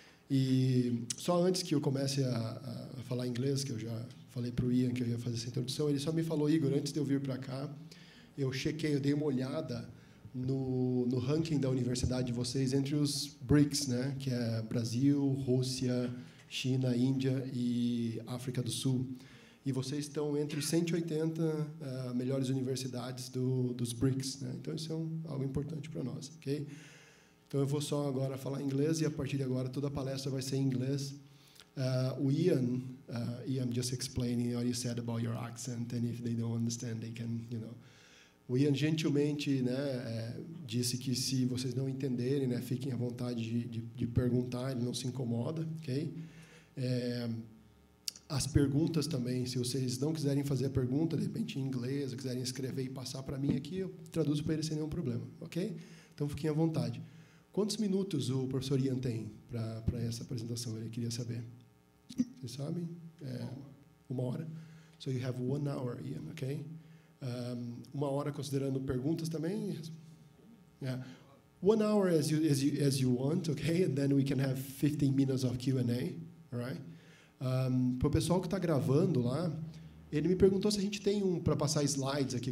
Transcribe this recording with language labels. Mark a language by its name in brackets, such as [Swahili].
[Portuguese] E só antes que eu comece a falar inglês, que eu já falei para o Ian que eu ia fazer essa introdução, ele só me falou: Igor, antes de eu vir para cá, eu chequei, eu dei uma olhada no ranking da universidade de vocês entre os BRICS, né, que é Brasil, Rússia, China, Índia e África do Sul. E vocês estão entre os 180 melhores universidades dos BRICS, né? Então, isso é algo importante para nós. Okay? Então, eu vou só agora falar inglês, e, a partir de agora, toda a palestra vai ser em inglês. [English] Ian, I'm just explaining what you said about your accent, and if they don't understand, they can, you know. [Portuguese] O Ian gentilmente, né, disse que, se vocês não entenderem, né, fiquem à vontade de perguntar, ele não se incomoda. Ok? As perguntas também, se vocês não quiserem fazer a pergunta, de repente em inglês, ou quiserem escrever e passar para mim aqui, eu traduzo para ele sem nenhum problema. Ok? Então, fiquem à vontade. Quantos minutos o professor Ian tem para essa apresentação? Ele queria saber. Vocês sabem? Uma hora. [English] So you have one hour, Ian, ok? [Portuguese] Uma hora considerando perguntas também. [English] Yeah. One hour as you want, okay? And then we can have 15 minutes of Q&A, right? [Portuguese] Para o pessoal que está gravando lá, ele me perguntou se a gente tem um para passar slides aqui.